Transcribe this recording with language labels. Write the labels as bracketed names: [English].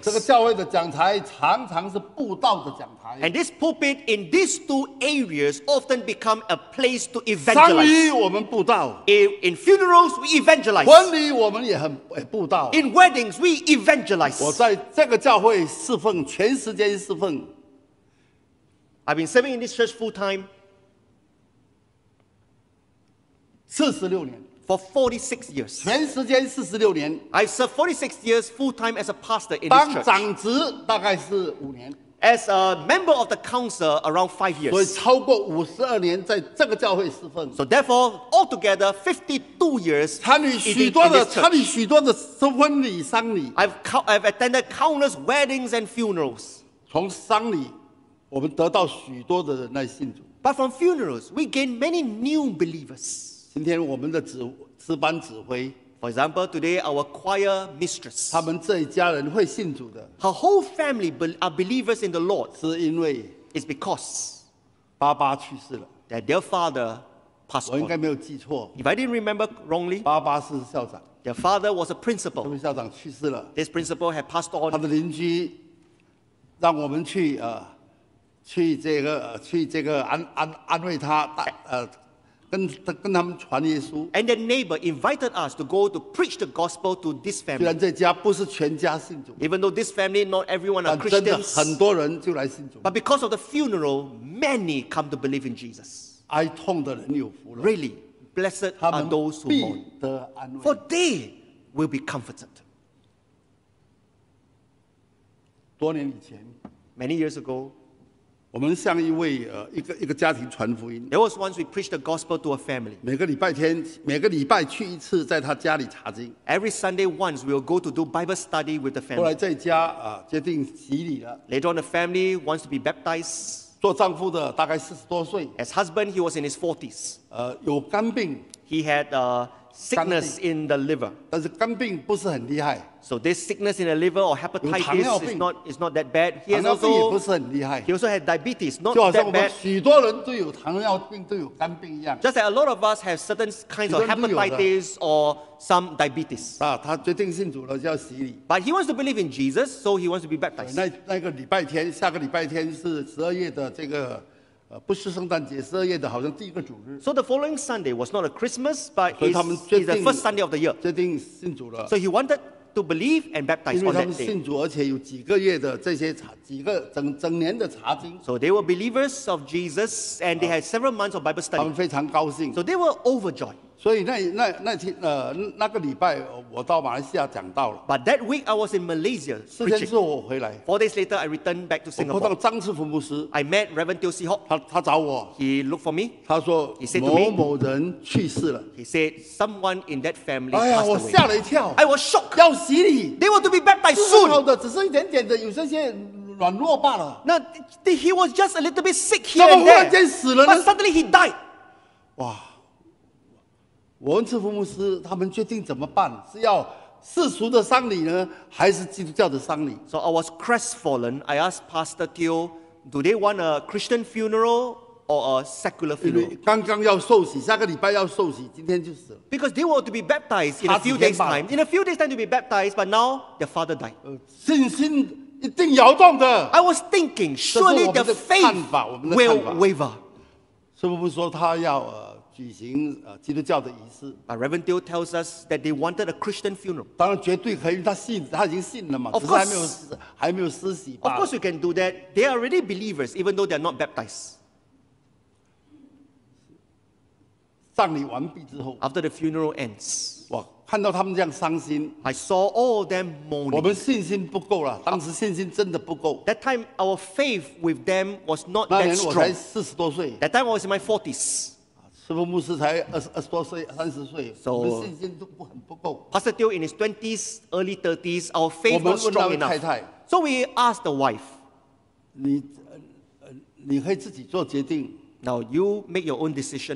[Chinese] 这个教会的讲台常常是布道的讲台。 [English] And this pulpit in these two areas often become a place to evangelize. [Chinese] 丧礼我们布道, [English] in funerals we evangelize. [Chinese] 婚礼我们也布道, [English] in weddings we evangelize. [Chinese] 我在这个教会侍奉, 全时间侍奉。 [English] I've been serving in this church full time. [Chinese] 46年, [English] for 46 years. [Chinese] 全时间46年, [English] I've served 46 years full-time as a pastor in this church. [Chinese] 当长职大概是5年, [English] as a member of the council, around 5 years. [Chinese] 所以超过52年在这个教会侍奉。 [English] So therefore, altogether, 52 years [Chinese] 参与许多的, [English] in this church. [Chinese] 参与许多的婚礼丧礼, [English] I've attended countless weddings and funerals. [Chinese] 从丧礼我们得到许多的人来信主。 [English] But from funerals, we gain many new believers. [Chinese] 今天我们的诗班指挥, [English] for example, today our choir mistress, [Chinese] 他们这一家人会信主的, [English] her whole family are believers in the Lord, [Chinese] 是因为, [English] it's because [Chinese] 爸爸去世了, [English] that their father passed on. [Chinese] 我应该没有记错, [English] if I didn't remember wrongly, [Chinese] 爸爸是校长, [English] their father was a principal, [Chinese] 他们校长去世了, [English] this principal had passed on. [Chinese] 他的邻居让我们去, 去这个安慰他, 跟他们传耶稣, [English] and their neighbor invited us to go to preach the gospel to this family. [Chinese] 虽然这家不是全家信主, [English] even though this family, not everyone are Christians, [Chinese] 但真的很多人就来信主, [English] but because of the funeral, many come to believe in Jesus. [Chinese] 哀痛的人有福了, [English] really, blessed are those who mourn, for they will be comforted. [Chinese] 多年以前, [English] many years ago, [Chinese] 我们向一位一个家庭传福音。 [English] There was once we preached the gospel to a family. [Chinese] 每个礼拜去一次，在他家里查经。 [English] Every Sunday once we'll go to do Bible study with the family. [Chinese] 后来在家决定洗礼了。 [English] Later on the family wants to be baptized. [Chinese] 做丈夫的大概40多岁。 [English] As husband he was in his 40s. [Chinese] 有肝病。 [English] He had a sickness in the liver. [Chinese] 但是肝病不是很厉害。 [English] So this sickness in the liver or hepatitis is not that bad. He has also, [Chinese] 糖尿病也不是很厉害。 [English] He also had diabetes, not that bad. [Chinese] 就好像我们许多人都有糖尿病，都有肝病一样。 [English] Just like a lot of us have certain kinds of hepatitis or some diabetes. [Chinese] 他决定信主了就要洗礼。 [English] But he wants to believe in Jesus, so he wants to be baptized. [Chinese] 那个礼拜天，下个礼拜天是十二月的这个。不是圣诞节，十二月的好像第一个主日。 [English] So the following Sunday was not a Christmas, but it's the first Sunday of the year. [Chinese] 决定信主了。 [English] So he wanted to believe and baptize on that day. [Chinese] 因为他们信主，而且有几个月的这些查，几个整年的查经。 [English] So they were believers of Jesus, and they had several months of Bible study. [Chinese] 他们非常高兴。 [English] So they were overjoyed. [Chinese] 所以那天那个礼拜我到马来西亚讲道了。 [English] But that week I was in Malaysia. [Chinese] 四天之后我回来。 [English] Four days later I returned back to Singapore. [Chinese] 我碰到张师傅牧师。 [English] I met Reverend Teo Seehawk. [Chinese] 他找我。 [English] He looked for me. [Chinese] 他说 [English] He said to [Chinese] 某某人去世了。 [English] He said someone in that family. [Chinese] 哎呀，我吓了一跳。 [English] I was shocked. [Chinese] 要洗礼。 [English] They were to be baptized soon. [Chinese] 是好的，只是一点点的，有些软弱罢了。 [English] 那 he was just a little bit sick here and there. [Chinese] 怎么忽然间死了呢 [English] ？But suddenly he died. 哇。 [Chinese] 我问赐福牧师，他们决定怎么办？是要世俗的丧礼呢，还是基督教的丧礼 [English] ？So I was crestfallen. I asked Pastor Teo, "Do they want a Christian funeral or a secular funeral?" [Chinese] 因为刚刚要受洗，下个礼拜要受洗，今天就死了。 [English] Because they were to be baptized in a few days' time. In a few days' time to be baptized, but now their father died. [Chinese] 信心一定摇动的。 [English] I was thinking, surely the faith will waver. [Chinese] 赐福牧师说他要。举行基督教的仪式。 [English] But Reverend Teo tells us that they wanted a Christian funeral. [Chinese] 当然绝对可以，他已经信了嘛。 [English] Of course, [Chinese] 还没有施洗罢了。 [English] Of course, you can do that. They are already believers, even though they are not baptized. [Chinese] 葬礼完毕之后 [English] ，After the funeral ends, [Chinese] 哇，看到他们这样伤心 [English] ，I saw all of them mourning. [Chinese] 我们信心不够了，当时信心真的不够。 [English] That time, our faith with them was not that strong. [Chinese] 那年我才四十多岁。 [English] That time, I was in my 40s. [Chinese] 师父牧师才二十多岁，三十岁，我们信心都不够。 [English] Pastor Teo in his 20s, early 30s, our faith was strong enough. [Chinese] 我们问他的太太。 [English] So we asked the wife. [Chinese] 你可以自己做决定。 [English] Now you make your own decision.